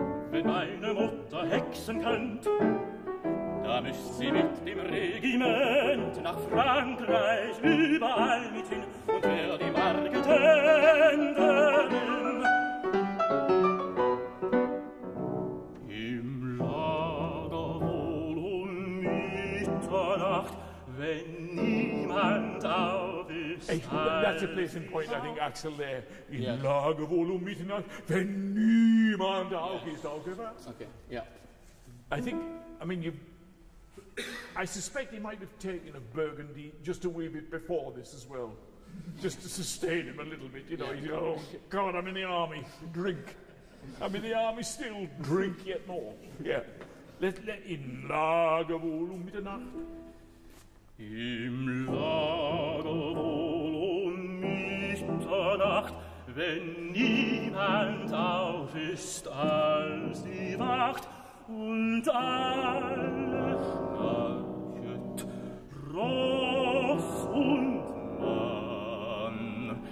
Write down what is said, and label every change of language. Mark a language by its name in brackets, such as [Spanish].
[German] Wenn meine Mutter Hexen könnte, da müsst sie mit dem Regiment nach Frankreich überall mit hin und wär die Marketenderin. Im Lager wohl um Mitternacht, wenn niemand auf ist. [English] Hey, that's a placing point, I think, Axel, there. [German] Im [English] yeah. [German] Lager wohl um Mitternacht, wenn niemand auf [English] yeah. [German] ist, auch gewahr. [English] Okay, yeah. I suspect he might have taken a Burgundy just a wee bit before this as well, just to sustain him a little bit. You know, yeah. He's, oh, God, I'm in the army, drink. I'm in the army still, drink yet more. Yeah. Let [German] in Lager wohl um Mitternacht. Im Lager wohl um Mitternacht, wenn niemand auf ist als die Wacht. Und alle schnarchet, Ross und Mann.